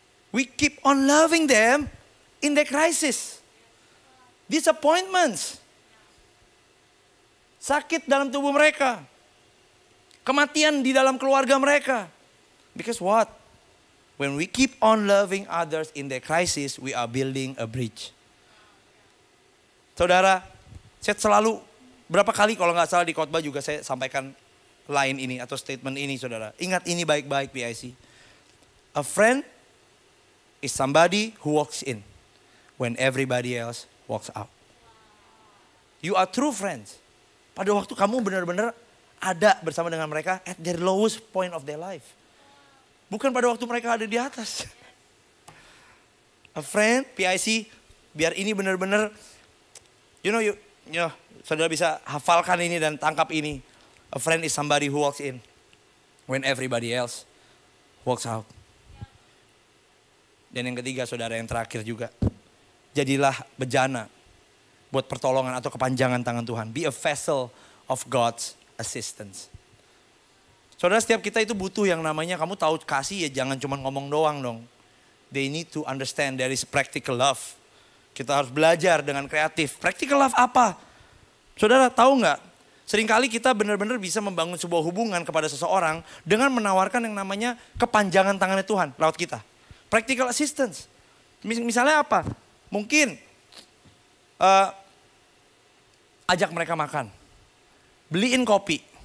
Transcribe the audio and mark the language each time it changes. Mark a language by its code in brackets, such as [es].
[en] We keep on loving them in the crisis. Disappointments. [id] Sakit dalam tubuh mereka. Kematian di dalam keluarga mereka. [en] Because what? When we keep on loving others in the crisis, we are building a bridge. [id] Saudara, saya selalu, berapa kali kalau gak salah di khotbah juga saya sampaikan line ini atau statement ini saudara. Ingat ini baik-baik [en] PIC. A friend is somebody who walks in when everybody else walks out. You are true friends. [id] Pada waktu kamu benar-benar ada bersama dengan mereka [en] at their lowest point of their life. [id] Bukan pada waktu mereka ada di atas. [en] A friend, [id] PIC, biar ini benar-benar, [en] you know, [id] saudara bisa hafalkan ini dan tangkap ini. [en] A friend is somebody who walks in when everybody else walks out. [id] Dan yang ketiga saudara, yang terakhir juga. Jadilah bejana buat pertolongan atau kepanjangan tangan Tuhan. [en] Be a vessel of God's assistance. [id] Saudara, setiap kita itu butuh yang namanya, kamu tahu kasih ya, jangan cuma ngomong doang dong. [en] They need to understand there is practical love. [id] Kita harus belajar dengan kreatif. Practical love apa? Saudara, tahu gak? Seringkali kita benar-benar bisa membangun sebuah hubungan kepada seseorang dengan menawarkan yang namanya kepanjangan tangannya Tuhan lewat kita. Practical assistance. Misalnya apa? Mungkin ajak mereka makan. Beliin kopi.